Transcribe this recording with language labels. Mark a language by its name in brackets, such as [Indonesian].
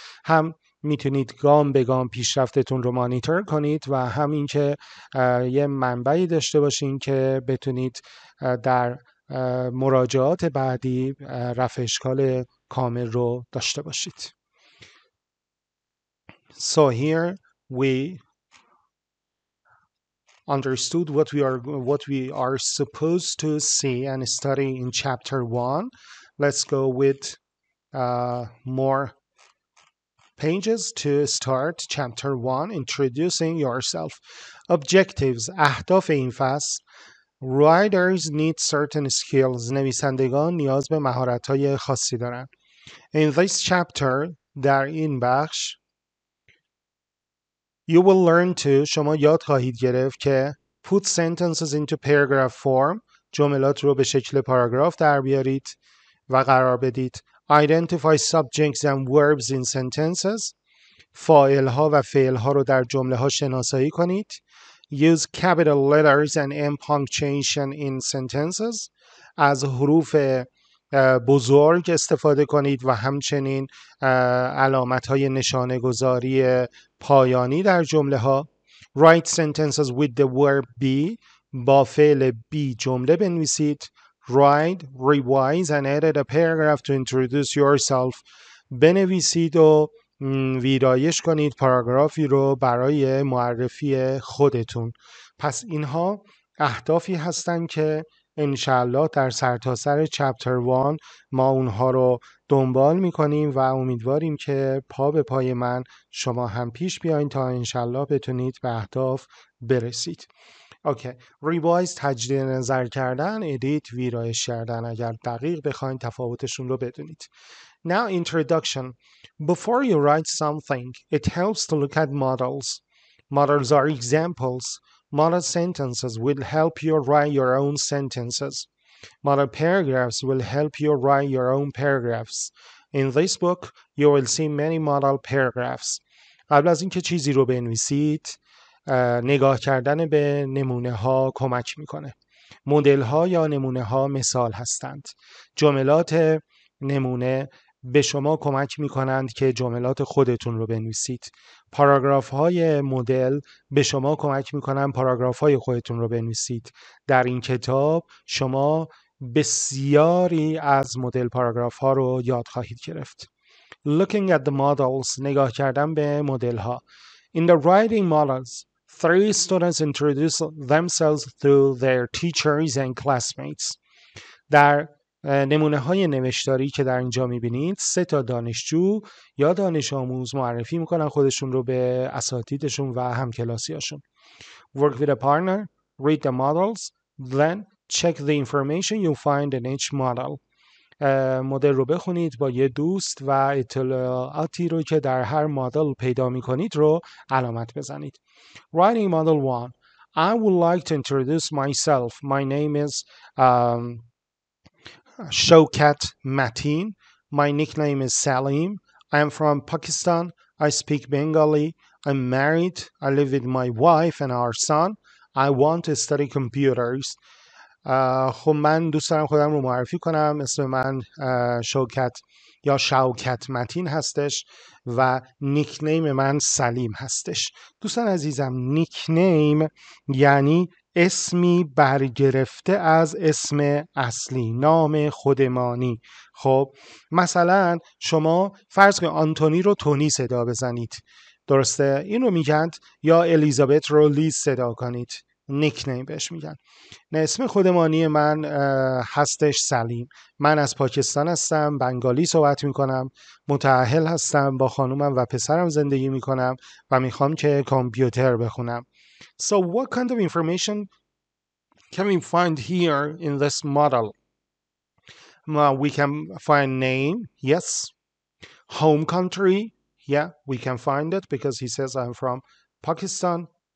[Persian] هم میتونید گام به گام پیشرفتتون رو مانیتور کنید و همین که یه منبعی داشته باشین که بتونید در مراجعات بعدی رفع اشکال کامل رو داشته باشید. [English] So here we understood what we are supposed to see and study in chapter 1. Let's go with more pages to start chapter 1, introducing yourself. [Persian] Objectives, اهداف این فصل. [English] Writers need certain skills. [Persian] نویسندگان نیاز به مهارت‌های خاصی دارند. [English] In this chapter, [Persian] در این بخش, [English] you will learn to, [Persian] شما یاد خواهید گرفت که [English] put sentences into paragraph form, [Persian] جملات رو به شکل پاراگراف در بیارید و قرار بدید. [English] Identify subjects and verbs in sentences, [Persian] فاعل ها و فعل ها رو در جمله ها شناسایی کنید. [English] Use capital letters and end punctuation in sentences, [Persian] از حروف بزرگ استفاده کنید و همچنین علامت های نشانه گذاری پایانی در جمله ها. [English] Write sentences with the verb be, [Persian] با فعل be جمله بنویسید. [English] Write, revise and edit a paragraph to introduce yourself. [Persian] بنویسید و ویرایش کنید پاراگرافی رو برای معرفی خودتون. پس اینها اهدافی هستن که انشالله در سرتاسر چپتر 1 ما اونها رو دنبال میکنیم و امیدواریم که پا به پای من شما هم پیش بیاین تا انشالله بتونید به اهداف برسید. اوکی، ریوایز تجدید نظر کردن، ادیت ویرایش کردن، اگر دقیق بخواید تفاوتشون رو بدونید. [English] Now introduction. Before you write something, it helps to look at models. Models are examples. Model sentences will help you write your own sentences. Model paragraphs will help you write your own paragraphs. In this book, you will see many model paragraphs. [Persian] قبل از اینکه چیزی رو بنویسید، نگاه کردن به نمونه ها کمک میکنه. مدل ها یا نمونه ها مثال هستند. جملات نمونه به شما کمک میکنند که جملات خودتون رو بنویسید. پاراگراف های مدل به شما کمک میکنند پاراگراف های خودتون رو بنویسید. در این کتاب شما بسیاری از مدل پاراگراف ها رو یاد خواهید گرفت. [English] Looking at the models، [Persian] نگاه کردن به مدل ها. [English] In the writing models، three students introduce themselves through their teachers and classmates. [Persian] در نمونه های نوشتاری که در اینجا میبینید، سه تا دانشجو یا دانش آموز معرفی میکنن خودشون رو به اساتیدشون و همکلاسیاشون. [English] Work with a partner, read the models, then check the information you find in each model. [Persian] مدل رو بخونید با یه دوست و اطلاعاتی رو که در هر مدل پیدا میکنید رو علامت بزنید. [English] Writing model 1. I would like to introduce myself. My name is Shaukat Mateen. My nickname is Salim. I am from Pakistan. I speak Bengali. I'm married. I live with my wife and our son. I want to study computers. [Persian] خب من دوست دارم خودم رو معرفی کنم. اسم من شوکت یا شوکت متین هستش و نیکنیم من سلیم هستش. دوستان عزیزم، نیکنیم یعنی اسمی برگرفته از اسم اصلی، نام خودمانی. خب مثلا شما فرض کنید آنتونی رو تونی صدا بزنید، درسته؟ این رو میگند. یا الیزابت رو لیز صدا کنید، نیکنیم بهش میگن. نه، اسم خودمانی من هستش سلیم. من از پاکستان هستم، بنگالی صحبت میکنم، متأهل هستم، با خانومم و پسرم زندگی میکنم و میخوام که کامپیوتر بخونم. [English] So what kind of information can we find here in this model? We can find name, yes. Home country, yeah, we can find it because he says I'm from Pakistan.